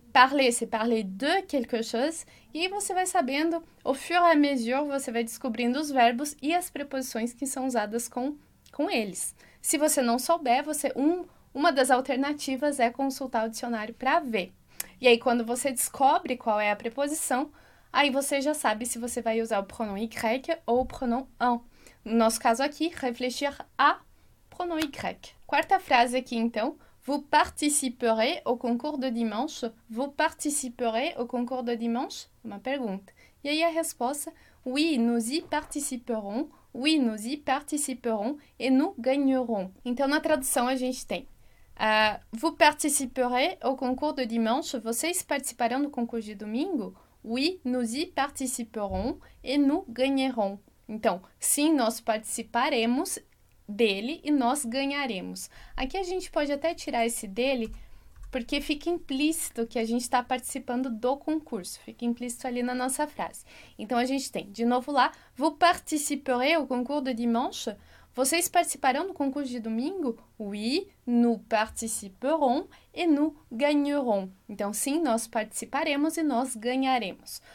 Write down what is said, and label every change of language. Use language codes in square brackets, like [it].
[fr] Parler, c'est parler de quelque chose. [pt] E você vai sabendo, [fr] au fur et à mesure, [pt] você vai descobrindo os verbos e as preposições que são usadas com eles. Se você não souber, uma das alternativas é consultar o dicionário para ver. E aí, quando você descobre qual é a preposição, aí você já sabe se você vai usar o pronome grec ou o pronome en. No nosso caso aqui, refletir à pronome grec. Quarta frase aqui, então. [fr] Vous participerez au concours de dimanche? Vous participerez au concours de dimanche? [pt] Uma pergunta. E aí a resposta, [fr] oui, nous y participerons. Oui, nous y participerons et nous gagnerons. [pt] Então, na tradução, a gente tem [fr] vous participerez au concours de dimanche? [pt] Vocês participarão do concurso de domingo? [fr] Oui, nous y participerons et nous gagnerons. [pt] Então, sim, nós participaremos dele e nós ganharemos. Aqui a gente pode até tirar esse dele, porque fica implícito que a gente está participando do concurso. Fica implícito ali na nossa frase. Então, a gente tem, de novo lá, [fr] vous participerez au concours de dimanche? [pt] Vocês participarão do concurso de domingo? [fr] Oui, nous participerons et nous gagnerons. [pt] Então, sim, nós participaremos e nós ganharemos.